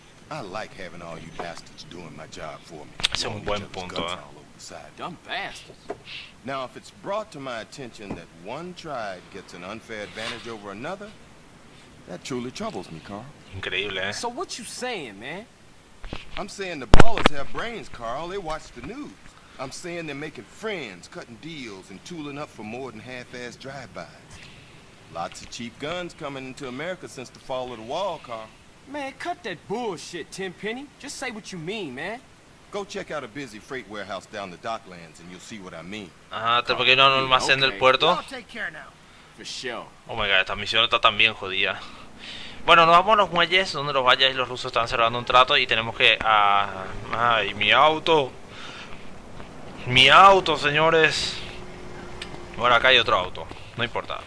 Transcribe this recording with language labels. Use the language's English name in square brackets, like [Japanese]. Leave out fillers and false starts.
[English] I like having all you bastards doing my job for me. [Spanish] Es un buen punto, [English] Dumb bastards. Now, if it's brought to my attention that one tribe gets an unfair advantage over another, that truly troubles me, Carl. [Spanish] Increíble, [English] So what you saying, man? I'm saying the ballers have brains, Carl. They watch the news. I'm saying they're making friends, cutting deals, and tooling up for more than half-assed drive-bys. Lots of cheap guns coming into America since the fall of the wall, Carl. Man, cut that bullshit, Tenpenny. Just say what you mean, man. Go check out a busy freight warehouse down the docklands and you'll see what I mean. [Spanish] ¿Te porque no al almacén del puerto? [English] Oh my god, [Spanish] esta misión está tan bien jodida. Bueno, nos vamos a los muelles, donde los vallas y los rusos están cerrando un trato y tenemos que... ¡Ay, mi auto! ¡Mi auto, señores! Bueno, acá hay otro auto. No importa.